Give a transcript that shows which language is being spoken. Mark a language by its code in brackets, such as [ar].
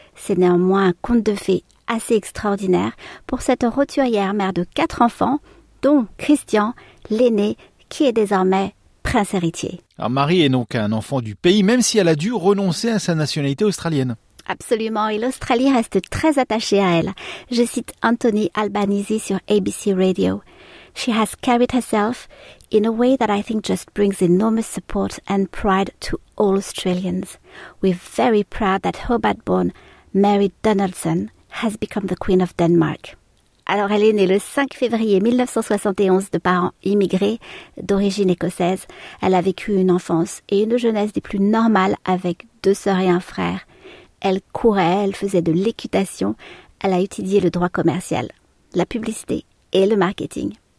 [fr] C'est néanmoins un conte de fées assez extraordinaire pour cette roturière mère de 4 enfants, dont Christian, l'aîné, qui est désormais prince héritier. Alors Marie est donc un enfant du pays, même si elle a dû renoncer à sa nationalité australienne. Absolument, et l'Australie reste très attachée à elle. Je cite Anthony Albanese sur ABC Radio. [en] She has carried herself in a way that I think just brings enormous support and pride to all Australians. We're very proud that Hobart-born Mary Donaldson has become the Queen of Denmark. [fr] Alors, elle est née le 5 février 1971 de parents immigrés d'origine écossaise. Elle a vécu une enfance et une jeunesse des plus normales avec 2 sœurs et 1 frère. Elle courait, elle faisait de l'équitation, elle a étudié le droit commercial, la publicité et le marketing.